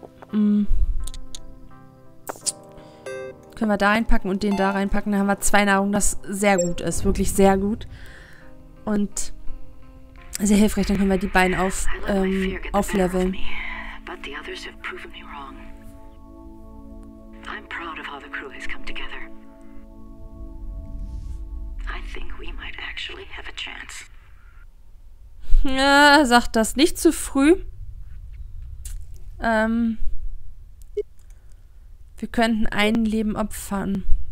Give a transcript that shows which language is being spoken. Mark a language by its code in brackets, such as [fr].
[de] Können wir da reinpacken und den da reinpacken. Dann haben wir zwei Nahrungen, das sehr gut ist. Wirklich sehr gut. Und sehr hilfreich. Dann können wir die beiden aufleveln. [en] But the others have proven me wrong. I'm proud of how the crew has come together. I think we might actually have a chance. [de] Ja, sagt das nicht zu früh. Wir könnten ein Leben opfern.